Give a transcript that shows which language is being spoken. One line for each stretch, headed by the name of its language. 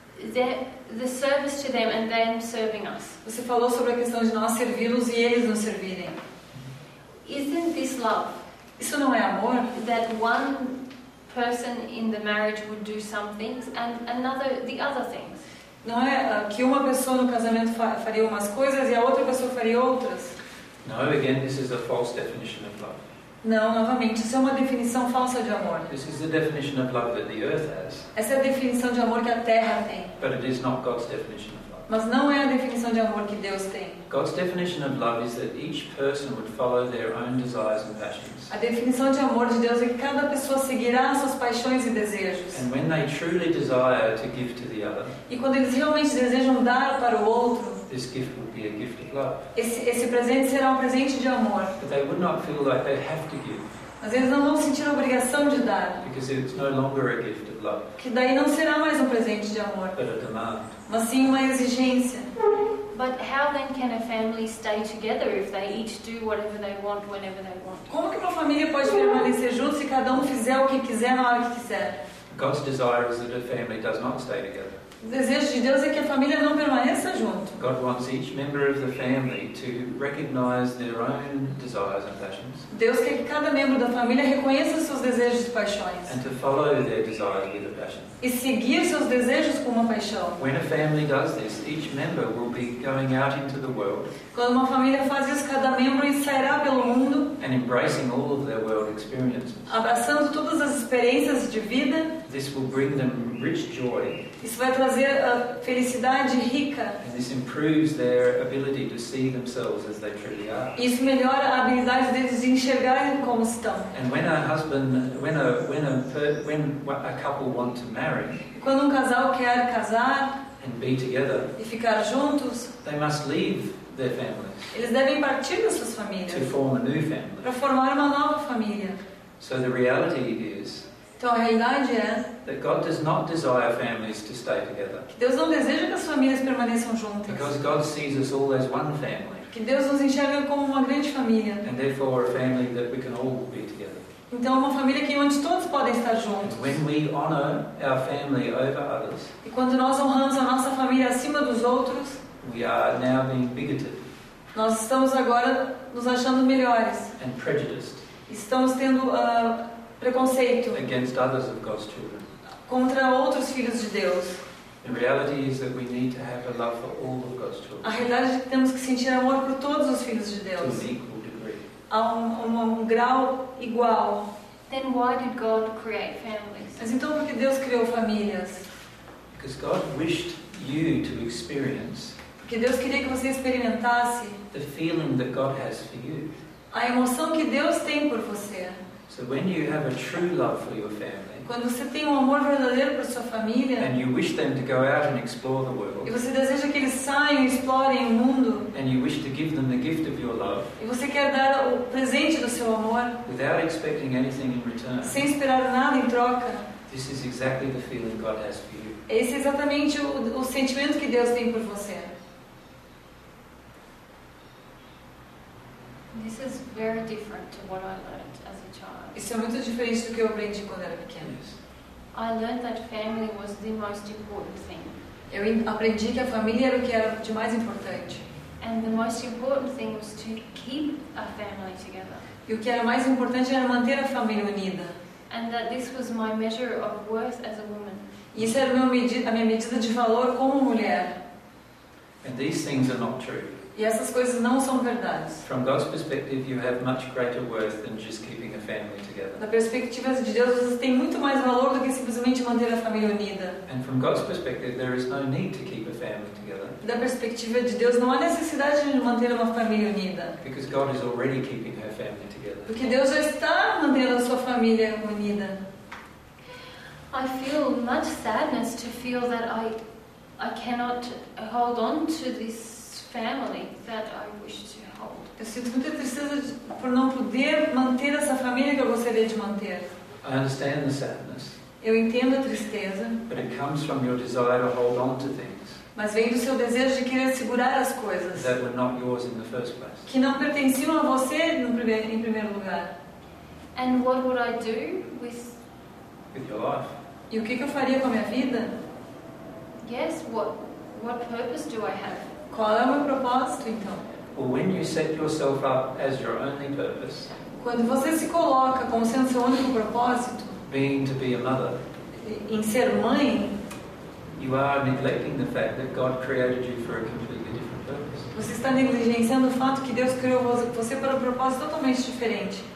English: the service to them and them serving us.
Portuguese: Você falou sobre a questão de nós servi-los e eles nos servirem.
English: Isn't this love?
Portuguese: Isso não é amor?
English: That one person in the marriage would do some things and another the other things.
Portuguese: Não é que uma pessoa no casamento faria umas coisas e a outra pessoa faria outras.
English: No, again, this is a false definition of love.
Portuguese: Não, novamente, isso é uma definição falsa de amor.
English: This is the definition of love that the earth has.
Portuguese: Essa é a definição de amor que a Terra tem.
English: But it is not God's definition of love.
Portuguese: Mas não é a definição de amor que Deus tem.
English: God's definition of love is that each person would follow their own desires and passions.
Portuguese: A definição de amor de Deus é que cada pessoa seguirá suas paixões e desejos.
English: And when they truly desire to give to the other.
Portuguese: E quando eles realmente desejam dar para o outro.
English: This gift would be a gift of love.
Portuguese: Esse presente será um presente de amor.
English: But they would not feel like they have to give.
Portuguese: Mas eles não vão sentir a obrigação de dar.
English: Because it's no longer a gift of love.
Portuguese: Que daí não será mais um presente de amor.
English: But a demand.
Portuguese: Mas sim uma exigência.
English: But how then can a family stay together if they each do whatever they want whenever they want?
Portuguese: Como que uma família pode permanecer junto se cada fizer o que quiser na hora que quiser?
English: God's desire is that a family does not stay together.
Portuguese: O desejo de Deus é que a família não permaneça junto.
English: God wants each member of the family to recognize their own desires and passions.
Portuguese: Deus quer que cada membro da família reconheça seus desejos e paixões.
English: And to follow their desires with a passion.
Portuguese: E seguir seus desejos com uma paixão.
English: When a family does this, each member will be going out into the world.
Portuguese: Quando uma família faz isso, cada membro sairá pelo mundo.
English: And embracing all of their world experiences.
Portuguese: Abraçando todas as experiências de vida.
English: This will bring them rich joy.
Portuguese: Isso vai trazer a felicidade rica.
English: And this improves their ability to see themselves as they truly are.
Portuguese: Isso melhora a habilidade deles de enxergarem como estão.
English: And when a husband, when a couple want to marry.
Portuguese: Quando casal quer casar.
English: And be together.
Portuguese: E ficar juntos.
English: They must leave their families.
Portuguese: Eles devem partir das suas famílias.
English: To form a new family.
Portuguese: Para formar uma nova família.
English: So the reality is.
Portuguese: Então a realidade é
English: that God does not desire families to stay together.
Portuguese: Que Deus não deseja que as famílias permaneçam juntas.
English: Because God sees us all as one family.
Portuguese: Que Deus nos enxerga como uma grande família.
English: And therefore a family that we can all be together.
Portuguese: Então uma família que onde todos podem estar juntos.
English: When we honor our family over others.
Portuguese: E quando nós honramos a nossa família acima dos outros.
English: We are now being bigoted.
Portuguese: Nós estamos agora nos achando melhores.
English: And prejudiced.
Portuguese: Estamos tendo preconceito
English: against others of God's children.
Portuguese: Contra outros filhos de Deus.
English: The reality is that we need to have a love for all of God's children.
Portuguese: A realidade é que temos que sentir amor por todos os filhos de Deus.
English: To an equal degree.
Portuguese: A um grau igual.
English: Then why did God create families?
Portuguese: Mas então por que Deus criou famílias?
English: Because God wished you to experience.
Portuguese: Porque Deus queria que você experimentasse.
English: The feeling that God has for you.
Portuguese: A emoção que Deus tem por você.
English: So when you have a true love for your family,
Portuguese: quando você tem um amor verdadeiro por sua família,
English: and you wish them to go out and explore the world,
Portuguese: e você deseja que eles saiam e explorem o mundo,
English: and you wish to give them the gift of your love,
Portuguese: e você quer dar o presente do seu amor,
English: without expecting anything in return,
Portuguese: sem esperar nada em troca,
English: this is exactly the feeling God has for you.
Portuguese: Esse é exatamente o sentimento que Deus tem por você.
English: This is very different to what I learned as a child.
Portuguese: Isso é muito diferente do que eu aprendi quando era pequena.
English: Yes. I learned that family was the most important thing.
Portuguese: Eu aprendi que a família era o que era de mais importante.
English: And the most important thing was to keep a family together.
Portuguese: E o que era mais importante era manter a família unida.
English: And that this was my measure of worth as a woman.
Portuguese: E isso era a minha medida de valor como mulher.
English: And these things are not true.
Portuguese: E essas coisas não são verdades.
English: From God's perspective, you have much greater worth than just keeping a family together.
Portuguese: Da perspectiva de Deus, você tem muito mais valor do que simplesmente manter a família unida.
English: And from God's perspective, there is no need to keep a family together.
Portuguese: Da perspectiva de Deus, não há necessidade de manter uma família unida.
English: Because God is already keeping her family together.
Portuguese: Porque Deus já está mantendo a sua família unida.
English: I feel much sadness to feel that I cannot hold on to this family that I wish to hold.
Portuguese: Eu sinto muita tristeza por não poder manter essa família que eu gostaria de manter.
English: I understand the sadness.
Portuguese: Eu entendo a tristeza.
English: But it comes from your desire to hold on to things.
Portuguese: Mas vem do seu desejo de querer segurar as coisas.
English: That were not yours in the first place.
Portuguese: Que não pertenciam a você em primeiro lugar.
English: And what would I do with your life?
Portuguese: E o que eu faria com a minha vida?
English: Yes, what purpose do I have?
Portuguese: Qual é o meu propósito, então?
English: Well, when you set yourself up as your only purpose,
Portuguese: quando você se coloca como sendo seu único propósito,
English: being to be a mother,
Portuguese: em ser mãe,
English: you are neglecting the fact that God created you for a completely different purpose.
Portuguese: Você está negligenciando o fato que Deus criou você para um propósito totalmente diferente.